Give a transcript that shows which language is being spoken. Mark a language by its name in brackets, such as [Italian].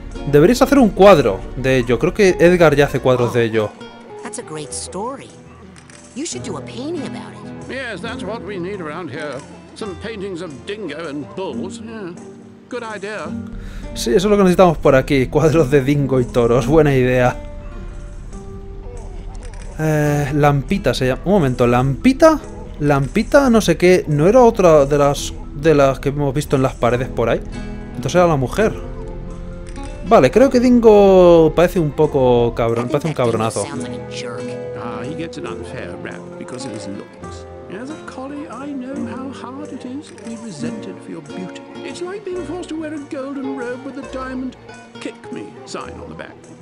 [Spanish] Deberías hacer un cuadro de ello. Creo que Edgar ya hace cuadros de ello. [English] That's a great story. You should do a painting about it. Yes, that's what we need around here. Some paintings of Dingo and bulls. Yeah. Good idea. [Spanish] Sí, eso es lo que necesitamos por aquí. Cuadros de Dingo y toros. Buena idea. Lampita se llama. Un momento, ¿Lampita? ¿Lampita no sé qué? ¿No era otra de las que hemos visto en las paredes por ahí? Entonces era la mujer. Vale, creo que Dingo parece un poco cabrón, parece un cabronazo. [English] He gets an unfair rap because of his looks. As a collie, I know how hard it is to be resented for your beauty. It's like being forced to wear a golden robe with a diamond kick me sign on the back.